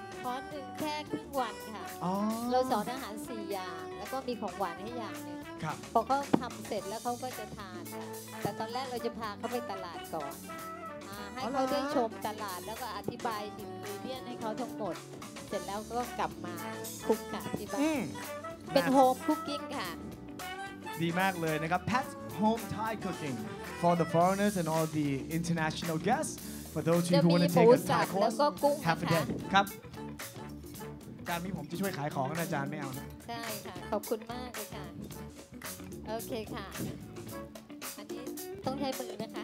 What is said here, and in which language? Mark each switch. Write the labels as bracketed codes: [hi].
[th] คอร์สหนึ่งแค่ครึ่งวันค่ะเราสอนอาหาร4อย่างแล้วก็มีของหวานให้อย่างนึง ครับ พอเขาทำเสร็จแล้วเขาก็จะทานแต่ตอนแรกเราจะพาเขาไปตลาดก่อนให้เขาได้ชมตลาดแล้วก็อธิบายอินกรีเดียนให้เขาทั้งหมดเสร็จแล้วก็กลับมาคุกกะที่บ้านเป็นโฮมคุกกิ้งค่ะ ดีมากเลยนะครับ [en] Pat's Home Thai Cooking for the foreigners and all the international guests for those who want to take a Thai course half a day [th] ครับการมีผมจะช่วยขายของนะอาจารย์ไม่เอานะ ใช่ค่ะขอบคุณมากเลยค่ะโอเคค่ะอันนี้ต้องใช้มือนะคะ